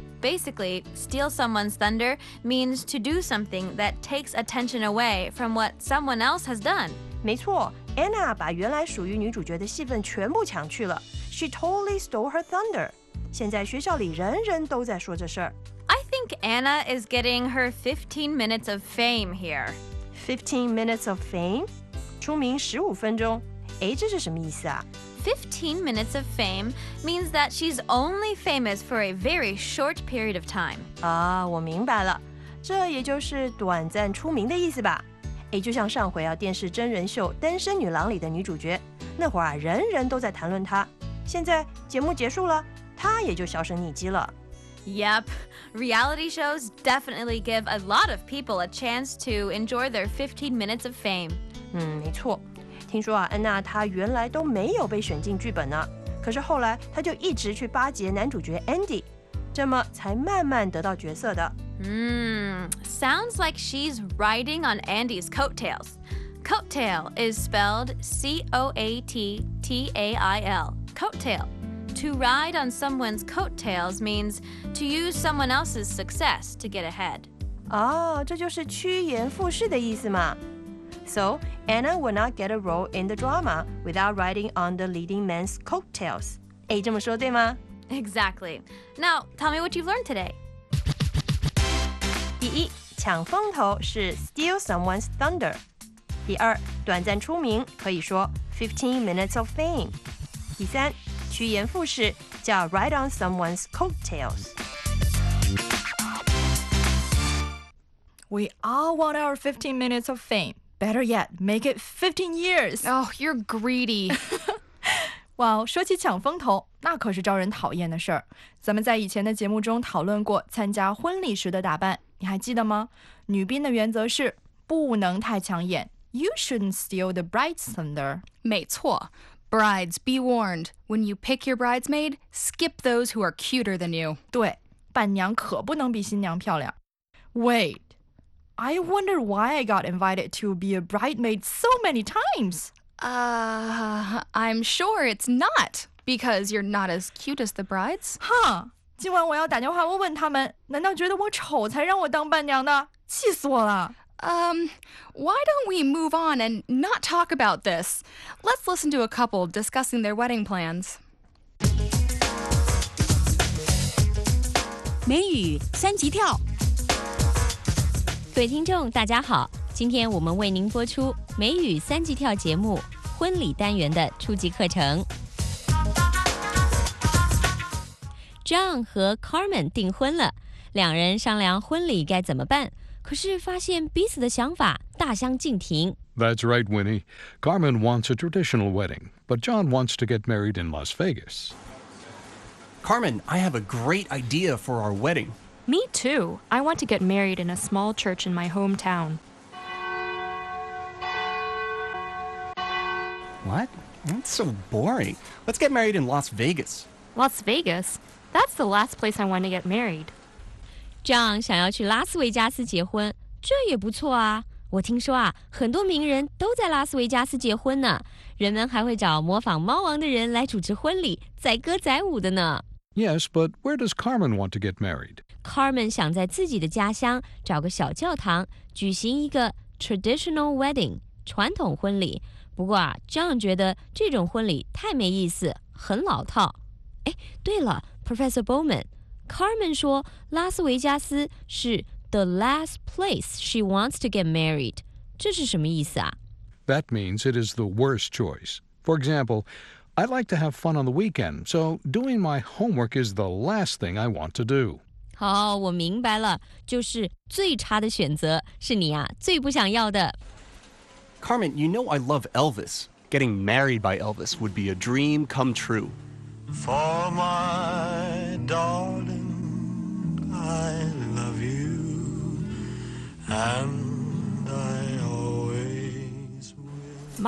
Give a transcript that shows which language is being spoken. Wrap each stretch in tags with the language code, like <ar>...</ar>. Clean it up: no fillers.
<en>Basically, steal someone's thunder means to do something that takes attention away from what someone else has done.</en> <zh>没错 ,Anna 把原来属于女主角的戏份全部抢去了。</zh> <en>She totally stole her thunder.</en> <zh>现在学校里人人都在说这事儿。</zh> <en>I think Anna is getting her 15 minutes of fame here. 15 minutes of fame?</en> <zh>出名15分钟。哎，这是什么意思啊？</zh> <en>15 minutes of fame means that she's only famous for a very short period of time.</en> <zh>啊，我明白了。这也就是短暂出名的意思吧。哎，就像上回啊，电视真人秀《单身女郎》里的女主角，那会儿啊，人人都在谈论她。现在节目结束了，她也就销声匿迹了。</zh> <en>Yep, reality shows definitely give a lot of people a chance to enjoy their 15 minutes of fame.</en> <zh>没错。听说啊，安娜她原来都没有被选进剧本呢，可是后来她就一直去巴结男主角 Andy， 这么才慢慢得到角色的。</zh> <en>Sounds like she's riding on Andy's coattails. Coattail is spelled C-O-A-T-T-A-I-L, coattail. To ride on someone's coattails means to use someone else's success to get ahead.</en> <zh>哦，这就是趋炎附势的意思嘛。</zh> <en>So, Anna will not get a role in the drama without riding on the leading man's coattails.</en> <zh>诶，这么说对吗？</zh> <en>Exactly. Now, tell me what you've learned today.</en> <zh>第一，抢风头是</zh> <en>steal someone's thunder.</en> <zh>第二，短暂出名可以说</zh> <en>15 minutes of fame.</en> <zh>第三，趋炎附势叫</zh> <en>ride on someone's coattails. We all want our 15 minutes of fame. Better yet, make it 15 years. Oh, you're greedy.</en> <zh>Well, 说起抢风头，那可是招人讨厌的事儿。咱们在以前的节目中讨论过参加婚礼时的打扮，你还记得吗？女宾的原则是不能太抢眼。</zh> <en>You shouldn't steal the bride's thunder.</en> <zh>没错。</zh> <en>Brides, be warned. When you pick your bridesmaid, skip those who are cuter than you.</en> <zh>对，伴娘可不能比新娘漂亮。</zh> <en>Wait, I wonder why I got invited to be a bridesmaid so many times. I'm sure it's not because you're not as cute as the brides. Huh?</en> <zh>今晚我要打电话问问他们，难道觉得我丑才让我当伴娘的？气死我了！</zh> <en>Why don't we move on and not talk about this? Let's listen to a couple discussing their wedding plans.</en> <zh>美语三级跳。各位听众大家好，今天我们为您播出美语三级跳节目婚礼单元的初级课程。 John 和 Carmen 订婚了，两人商量婚礼该怎么办，可是发现彼此的想法大相径庭。</zh> <en>That's right, Winnie. Carmen wants a traditional wedding, but John wants to get married in Las Vegas. Carmen, I have a great idea for our wedding. Me too. I want to get married in a small church in my hometown. What? That's so boring. Let's get married in Las Vegas. Las Vegas? That's the last place I want to get married.</en> <zh>John 想要去拉斯维加斯结婚，这也不错啊。我听说啊，很多名人都在拉斯维加斯结婚呢，人们还会找模仿猫王的人来主持婚礼，载歌载舞的呢。</zh> <en>Yes, but where does Carmen want to get married?</en> <zh>Carmen 想在自己的家乡找个小教堂，举行一个 traditional wedding, 传统婚礼。不过啊， John 觉得这种婚礼太没意思，很老套。哎，对了， Professor Bowman,Carmen 说拉斯维加斯是</zh> <en>the last place she wants to get married.</en> <zh>这是什么意思啊？</zh> <en>That means it is the worst choice. For example, I like to have fun on the weekend, so doing my homework is the last thing I want to do.</en> <zh>好，我明白了，就是最差的选择是你啊，最不想要的。</zh> <en>Carmen, you know I love Elvis. Getting married by Elvis would be a dream come true. For my darling, I love you, and I always will.</en>